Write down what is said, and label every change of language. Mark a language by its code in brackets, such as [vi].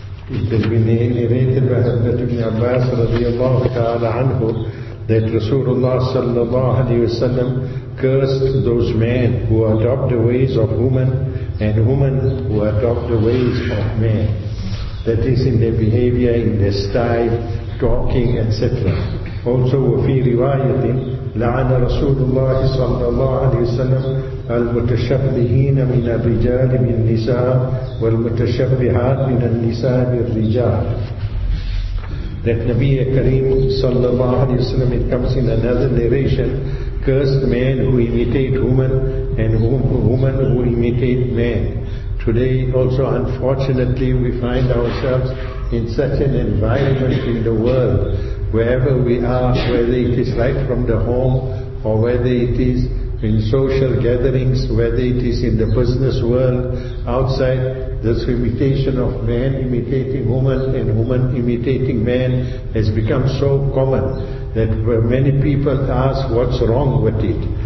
[en] It has been narrated by Hazrat ibn Abbas [ar] رضي الله تعالى عنه [en] that Rasulullah [ar] صلى الله عليه وسلم [en] cursed those men who adopt the ways of women and women who adopt the ways of men. That is in their behavior, in their style, talking, etc. Also, [ar] وفي رواية لعن رسول الله صلى الله عليه وسلم المتشبهين من الرجال بالنساء والمتشبهات من النساء بالرجال. [en] That Nabi Kareem [ar] صلى الله عليه وسلم, [en] it comes in another narration, cursed men who imitate women and women who imitate men. Today also unfortunately we find ourselves in such an environment in the world, wherever we are, whether it is right from the home or whether it is in social gatherings, whether it is in the business world, outside, this imitation of man imitating woman and woman imitating man has become so common that many people ask what's wrong with it.